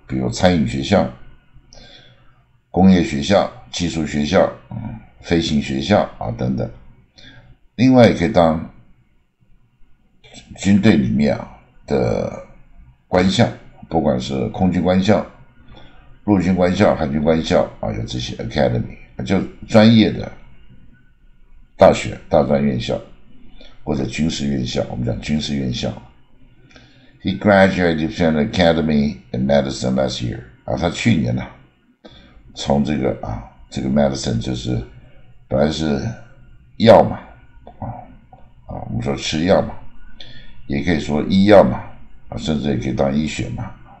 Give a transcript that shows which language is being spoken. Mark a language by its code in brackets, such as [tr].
[zh] 比如餐饮学校、工业学校、技术学校、飞行学校啊等等，另外也可以当军队里面的官校，不管是空军官校、陆军官校、海军官校啊，有这些 academy，就专业的大学、大专院校或者军事院校，我们讲军事院校。 [en] He graduated from the Academy in Medicine last year。 [zh] 他去年呢，从这个这个 medicine 就是本来是药嘛，我们说吃药嘛，也可以说医药嘛，甚至也可以当医学嘛。